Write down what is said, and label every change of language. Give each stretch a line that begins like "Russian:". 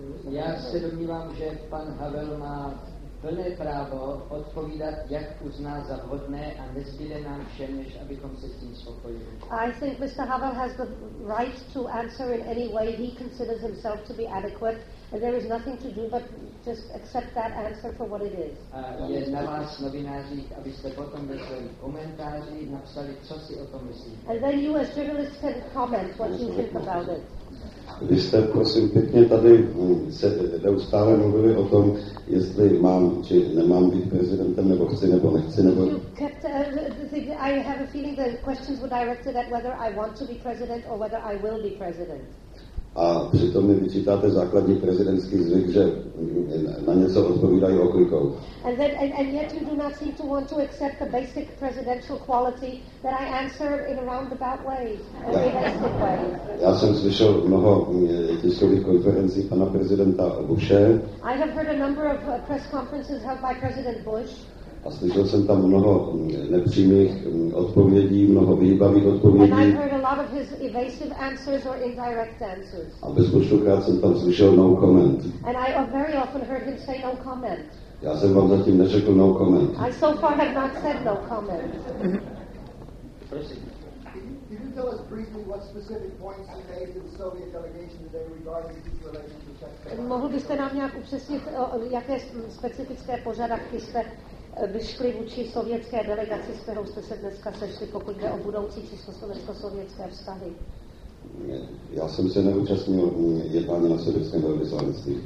Czech: Já se domnívám, že pan Havel má plné právo odpovídat, jak uzná za vhodné, a nezbyde nám všem, než abychom se s tím spokojili.
English: I think Mr. Havel has the right to answer in any way he considers himself to be adequate, and there is nothing to do but just accept that answer for what it is.
Czech: Je na vás, novinářích, abyste potom ve svých komentářích napsali, co si o tom myslíte.
English: And then you as journalists can comment what you think about it.
Czech: Vy jste, prosím, pěkně tady se neustále mluvili o tom, jestli mám, či nemám být prezidentem, nebo chci, nebo nechci, nebo...
English: I have a feeling that questions were directed at whether I want to be president or whether I will be president.
Czech: A přitom mi vyčítáte základní prezidentský zvyk, že na něco odpovídají oklikou.
English: And yet you do not seem to want to accept the basic presidential quality that I answer in a roundabout way, in a basic way.
Czech: Já jsem slyšel mnoho tiskových konferencí pana prezidenta Busha.
English: I have heard a number of press conferences held by President Bush.
Czech: A slyšel jsem tam mnoho nepřímých odpovědí, mnoho vyhýbavých odpovědí.
English: And I've heard a lot of his evasive answers or indirect answers.
Czech: A bezpočtokrát jsem tam slyšel
English: no comment. And I very often heard him say no comment.
Czech: Já jsem vám zatím neřekl
English: no comment. I so far have not said no comment.
Czech: Prosím.
English: Can you tell us briefly what specific points you made to the Soviet delegation today regarding the relationship?
Czech: Mohl byste nám nějak upřesnit, jaké specifické požadavky jste vyšli vůči sovětské delegaci, s kterou jste se dneska sešli, pokud jde o budoucí československo-sovětské vztahy? Já jsem se neúčastnil jednání na sovětském velvyslanectví.